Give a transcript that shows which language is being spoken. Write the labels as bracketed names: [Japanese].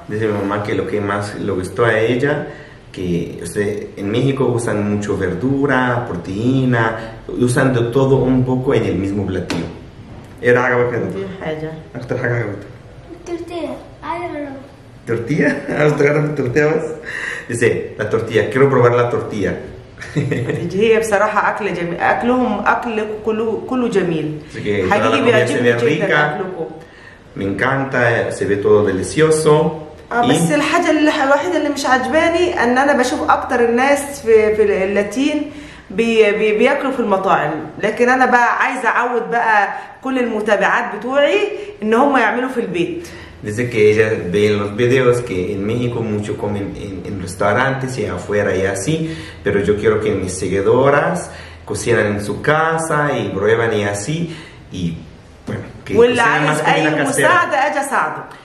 [Spanish] dice mamá que lo que más le gustó a ella que usted en México usan mucho verdura proteína usan de todo un poco en el mismo platillo era algo que dijo ella [Arabic] اكتر حاجه عجبتها [Spanish] tortilla ay no tortilla hasta tortilla más dice la tortilla quiero probar la tortilla [Arabic] هي بصراحة أكل جميل أكلهم أكل كله جميل حقيقي بيعجبني جدا أكلكم [Spanish] من كانتا سيبي تودو ديليسيوسو [Arabic] بس الحاجة الوحيدة اللي مش عجباني أن أنا بشوف أكتر الناس في اللاتين بياكلوا في المطاعم لكن أنا بقى عايزة أعود بقى كل المتابعات بتوعي أن هم يعملوا في البيت [Spanish] Dice que ella ve en los videos que en México mucho comen en restaurantes y afuera y así, pero yo quiero que mis seguidoras cocinan en su casa y prueban y así, y bueno, que cocinan más comida casera.